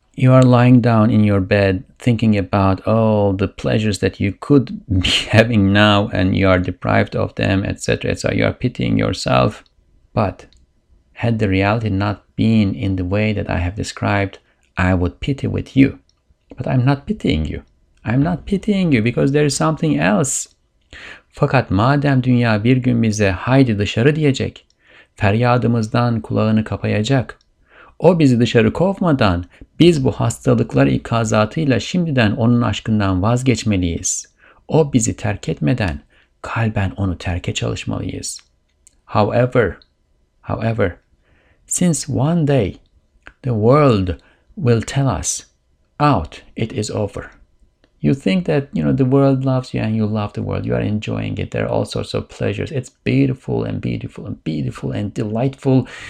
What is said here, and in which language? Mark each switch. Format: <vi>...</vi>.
<en>You are lying down in your bed thinking about all the pleasures that you could be having now and you are deprived of them, etc. So you are pitying yourself. But had the reality not been in the way that I have described, I would pity with you. But I'm not pitying you. I'm not pitying you because there is something else.</en> <tr>Fakat madem dünya bir gün bize haydi dışarı diyecek, feryadımızdan kulağını kapayacak. O bizi dışarı kovmadan, biz bu hastalıklar ikazatıyla şimdiden onun aşkından vazgeçmeliyiz. O bizi terk etmeden, kalben onu terke çalışmalıyız.</tr> <en>However, since one day, the world will tell us, out, it is over. You think that, you know, the world loves you and you love the world. You are enjoying it. There are all sorts of pleasures. It's beautiful and beautiful and beautiful and delightful.</en>